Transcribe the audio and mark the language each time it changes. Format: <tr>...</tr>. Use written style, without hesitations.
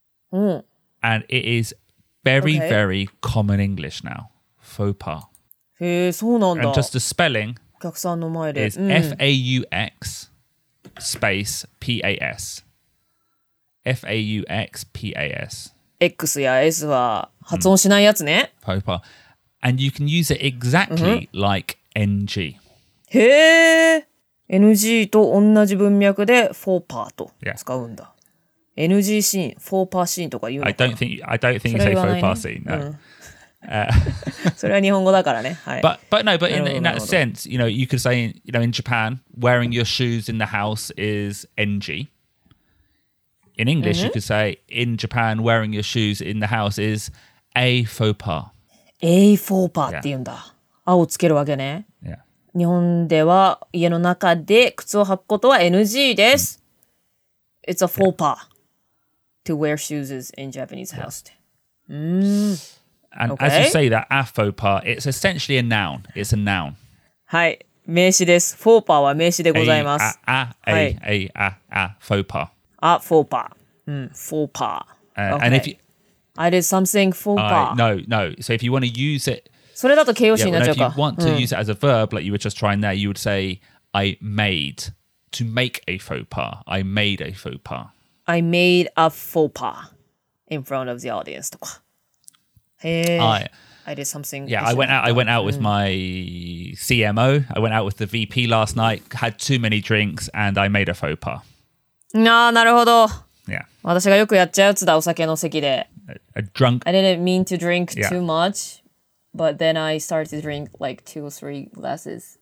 <en>And it isVery, okay. very common English now. Faux pas.</en> <ja>へー、そうなんだ。</ja> <en>And just the spelling</en> <ja>お客さんの前で</ja> <en>is F-A-U-X space P-A-S. F-A-U-X P-A-S.</en> <ja>X や S は発音しないやつね。</ja> <en>Faux pas. And you can use it exactly like NG.</en> <ja>へー。NG と同じ文脈で faux pas と使うんだ。</ja> <en>Yeah.</en> <ja>NG シーン、フォーパーシーンとか言うのかな?</ja> <en>I don't think you say faux pas scene, no.</en> <ja>それは日本語だからね。</ja> <en>But in that sense, you know, you could say, you know, in Japan, wearing your shoes in the house is NG. In English, you could say, in Japan, wearing your shoes in the house is a faux pas.</en> <ja>A faux pas って言うんだ。あをつけるわけね。</ja> <en>Yeah.</en> <ja>日本では家の中で靴を履くことは NG です。</ja> <en>It's a faux pas. To wear shoes in Japanese house. And as you say that, a faux pas, it's essentially a noun. It's a noun.</en> <ja>はい、名詞です。フォーパーは名詞でございます。</ja> <en>Faux pas. A faux pas. Faux pas. And if you, I did something faux pas. No. So if you want to use it,</en> <ja>それだと形容詞になっちゃうか。</ja> <en>If you want to use it as a verb, like you were just trying there, you would say, I made to make a faux pas. I made a faux pas. I made a faux pas in front of the audience.</en> <ja>とか。</ja> <en>I did something. Yeah, I went out with my CMO. I went out with the VP last night, had too many drinks, and I made a faux pas.</en> <ja>ああ、なるほど。</ja> <en>Yeah.</en> <ja>私がよくやっちゃうやつだ、お酒の席で。</ja> <en>A drunk. I didn't mean to drink too much, but then I started to drink like 2 or 3 glasses.</en>